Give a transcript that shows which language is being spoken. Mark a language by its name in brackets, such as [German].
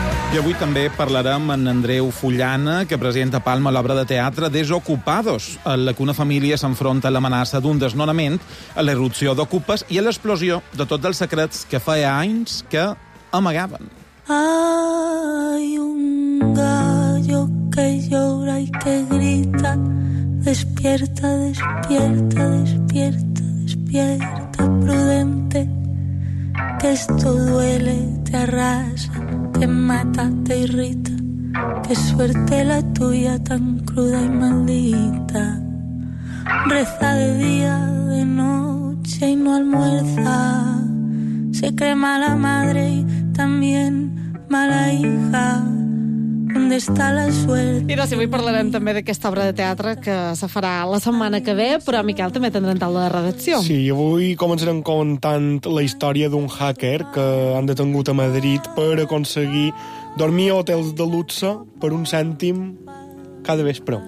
[Catalan] I avui també parlarem amb Andreu Fullana, que presenta a Palma l'obra de teatre Desocupados, en la que una família s'enfronta a l'amenaça d'un desnonament, a l'erupció d'ocupes i a l'explosió de tots els secrets que feia anys que amagaven. [Spanish] Hay un gallo que llora y que grita, despierta, despierta, despierta, despierta, prudente, que esto duele, te arrasa, te mata, te irrita, qué suerte la tuya tan cruda y maldita. Reza de día, de noche y no almuerza, se cree mala madre y también mala hija. ¿Dónde está la suerte? [Catalan] I doncs, avui parlarem també d'aquesta obra de teatre que se farà la setmana que ve, però Miquel també tindrà en taula de redacció. Sí, avui començarem contant la història d'un hacker que han detingut a Madrid per aconseguir dormir a hotels de luxe per un cèntim cada vespre.